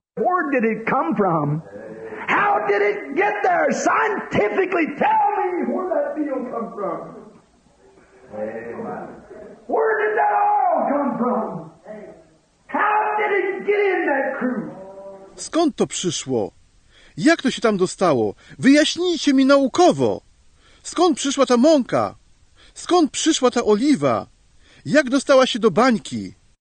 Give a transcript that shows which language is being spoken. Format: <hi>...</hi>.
<en>Where did it come from? How did it get there? Scientifically tell me where that meal come from. Where did that all come from? How did it get in that crew?</en> <pl>Skąd to przyszło? Jak to się tam dostało? Wyjaśnijcie mi naukowo! Skąd przyszła ta mąka? Skąd przyszła ta oliwa? Jak dostała się do bańki?</pl>